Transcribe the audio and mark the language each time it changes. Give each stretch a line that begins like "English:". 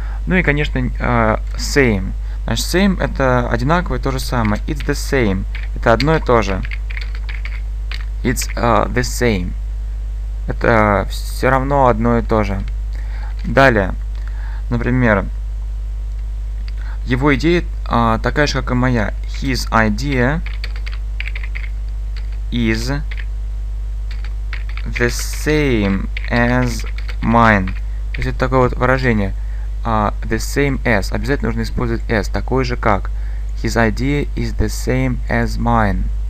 Russian: Ну и, конечно, same. Значит, same — это одинаковое, то же самое.
English: It's the same.
Russian: Это одно и то же.
English: It's the same.
Russian: Это все равно одно и то же. Далее. Например, его идея такая же, как и моя.
English: His idea is the same as mine.
Russian: То есть это такое вот выражение.
English: The same as.
Russian: Обязательно нужно использовать as. Такой же как.
English: His idea is the same as mine.